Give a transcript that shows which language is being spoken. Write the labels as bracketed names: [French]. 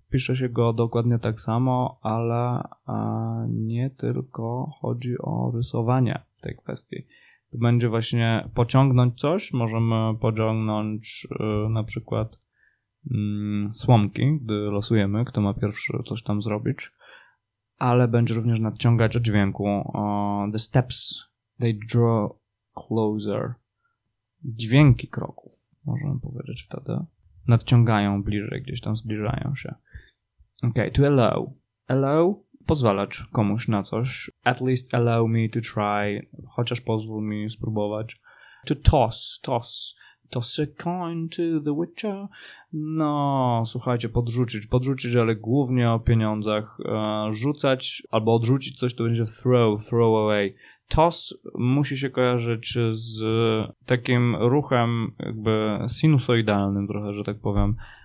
[Polish] Pisze się go dokładnie tak samo, ale nie tylko chodzi o rysowanie w tej kwestii. To będzie właśnie pociągnąć coś. Możemy pociągnąć na przykład słomki, gdy losujemy, kto ma pierwszy coś tam zrobić. Ale będzie również nadciągać od dźwięku. [English] The steps, they draw closer. [Polish] Dźwięki kroków, możemy powiedzieć wtedy. Nadciągają bliżej, gdzieś tam zbliżają się. Okay, to allow. Allow. Pozwalać komuś na coś. [English] At least allow me to try. [Polish] Chociaż pozwól mi spróbować. [English] To toss. Toss. Toss a coin to the witcher. [Polish] No, słuchajcie, podrzucić. Podrzucić, ale głównie o pieniądzach. Rzucać albo odrzucić coś, to będzie throw. Throw away. Toss musi się kojarzyć z takim ruchem jakby sinusoidalnym trochę, że tak powiem.